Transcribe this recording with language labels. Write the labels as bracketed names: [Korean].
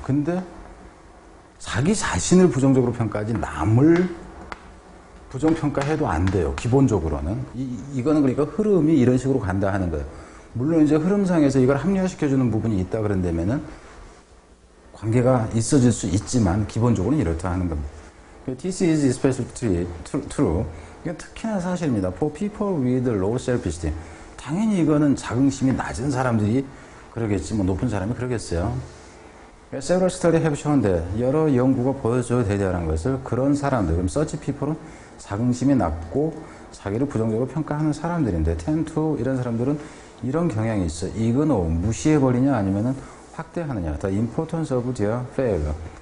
[Korean] 근데 자기 자신을 부정적으로 평가하지 남을 부정평가해도 안 돼요. 기본적으로는. 이거는 그러니까 흐름이 이런 식으로 간다 하는 거예요. 물론 이제 흐름상에서 이걸 합리화시켜주는 부분이 있다 그런다면은 관계가 있어질 수 있지만 기본적으로는 이렇다 하는 겁니다. [English] This is especially true. [Korean] 이건 특히나 사실입니다. [English] For people with low self-esteem. [Korean] 당연히 이거는 자긍심이 낮은 사람들이 그러겠지, 뭐 높은 사람이 그러겠어요. [English] Several studies have shown that [Korean] 여러 연구가 보여줘야 되다는 것을 그런 사람들, 그럼 [English] such people [Korean] 은 자긍심이 낮고 자기를 부정적으로 평가하는 사람들인데 [English] tend to [Korean] 이런 사람들은 이런 경향이 있어. Ignore, 무시해버리냐 아니면은 확대하느냐. [English] The importance of their failure.